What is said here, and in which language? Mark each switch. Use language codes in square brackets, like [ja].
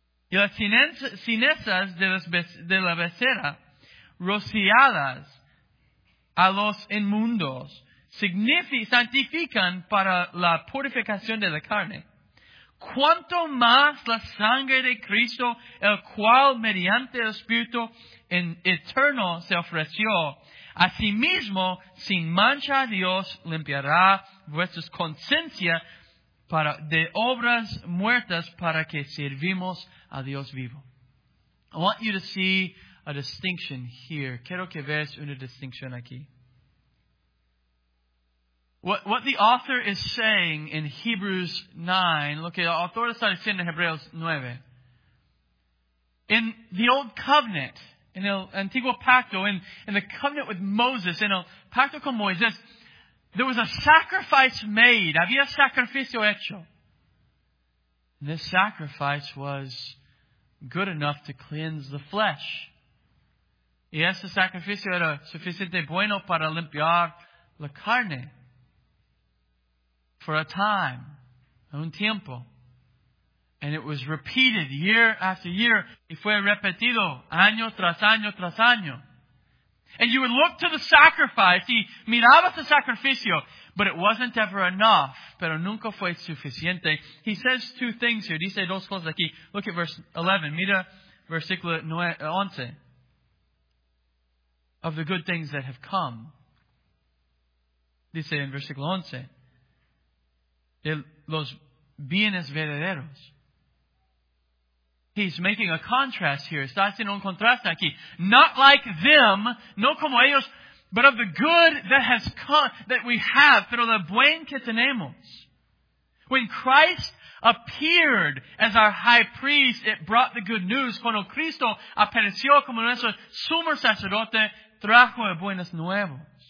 [es] y las cinezas de la becerra rociadas a los inmundos santifican para la purificación de la carne, ¿cuánto más la sangre de Cristo, el cual mediante el Espíritu en eterno se ofreció? Asimismo, sin mancha Dios limpiará vuestra conciencia para de obras muertas para que servimos a Dios vivo. [en] I want you to see a distinction here. [es] Quiero que veas una distinción aquí. [en] What the author is saying in Hebrews 9, [es] lo que el autor está diciendo en Hebreos 9, [en] in the old covenant, in [es] el antiguo pacto, [en] in the covenant with Moses, in [es] el pacto con Moisés, [en] there was a sacrifice made. [es] Había sacrificio hecho. [en] And this sacrifice was good enough to cleanse the flesh. [es] Y ese sacrificio era suficiente bueno para limpiar la carne. [en] For a time. [es] Un tiempo. [en] And it was repeated year after year. [es] Y fue repetido año tras año tras año. [en] And you would look to the sacrifice. [es] Y mirabas el sacrificio. [en] But it wasn't ever enough. [es] Pero nunca fue suficiente. [en] He says two things here. [es] Dice dos cosas aquí. [en] Look at verse 11. [es] Mira versículo 11. [en] Of the good things that have come. [es] Dice en versículo 11. De los bienes verdaderos. [en] He's making a contrast here. [es] Está haciendo un contraste aquí. [en] Not like them, [es] no como ellos, [en] but of the good that has come, that we have, [es] pero lo buen que tenemos. [en] When Christ appeared as our high priest, it brought the good news. [es] Cuando Cristo apareció como nuestro sumo sacerdote, trajo de buenas nuevas.